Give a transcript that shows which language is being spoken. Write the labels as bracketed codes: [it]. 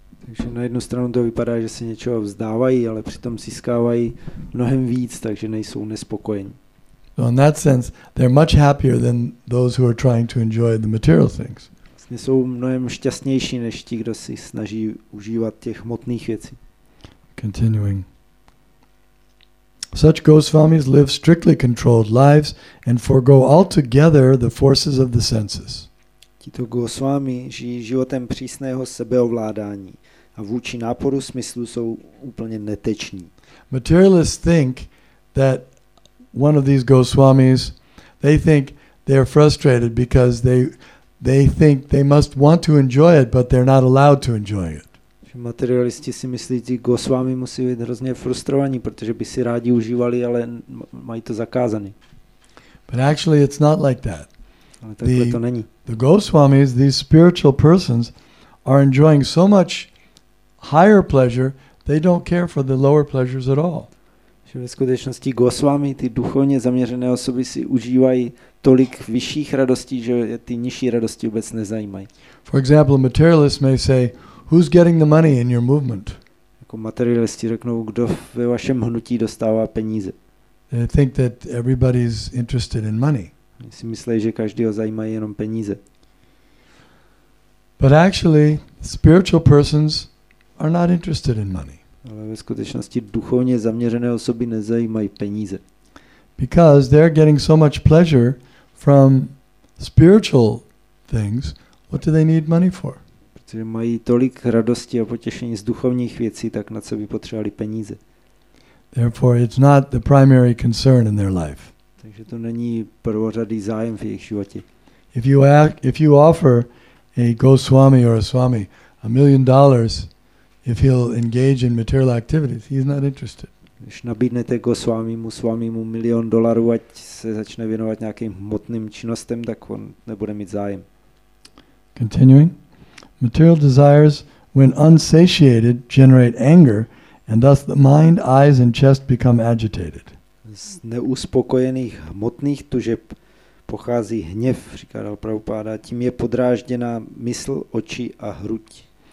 [cs] Takže na jednu stranu to vypadá, že se něčeho vzdávají, ale přitom získávají mnohem víc, takže nejsou nespokojení. [en] So in that sense they're much happier than those who are trying to enjoy the material things. [cs] Jsou mnohem šťastnější než ti, kdo si snaží užívat těch hmotných věcí. [en] Continuing. Such Goswamis live strictly controlled lives and forego altogether the forces of the senses. [cs] Tito Goswami žijí životem přísného sebeovládání a vůči náporu smyslu jsou úplně neteční. [en] Materialists think that one of these Goswamis, they think they are frustrated because they think they must want to enjoy it, but they're not allowed to enjoy it. [cs] Materialisti si myslí, že Goswami musí být hrozně frustrovaní, protože by si rádi užívali, ale mají to zakázané. [en] But actually it's not like that. [cs] Ale takhle to není. [en] The Goswamis, these spiritual persons, are enjoying so much higher pleasure, they don't care for the lower pleasures at all. [cs] Že ve skutečnosti Goswami, ty duchovně zaměřené osoby, si užívají tolik vyšších radostí, že ty nižší radosti vůbec nezajímají. [en] For example, materialists may say, who's getting the money in your movement? [cs] Jako materialisti řeknou, kdo ve vašem hnutí dostává peníze. [en] They think that everybody's interested in money. [cs] Si myslí, že každýho zajímají jenom peníze. [en] But actually, spiritual persons are not interested in money. [cs] Ale ve skutečnosti duchovně zaměřené osoby nezajímají peníze. [en] Because they're getting so much pleasure from spiritual things, what do they need money for? [cs] Protože mají tolik radosti a potěšení z duchovních věcí, tak na co by potřebovali peníze? [en] Therefore, it's not the primary concern in their life. [cs] Takže to není prvořadý zájem v jejich životě. [en] If you offer a Goswami or a Swami $1,000,000 if he'll engage in material activities, he's not interested. [cs] Když nabídnete Goswamimu, Swamimu $1,000,000, ať se začne věnovat nějakým hmotným činnostem, tak on nebude mít zájem. [en] Continuing. Material desires, when unsatiated, generate anger, and thus the mind, eyes and chest become agitated. [cs] Z neuspokojených hmotných tužeb pochází hněv, říká dal Prabhupáda, tím je podrážděná mysl, oči a hruď.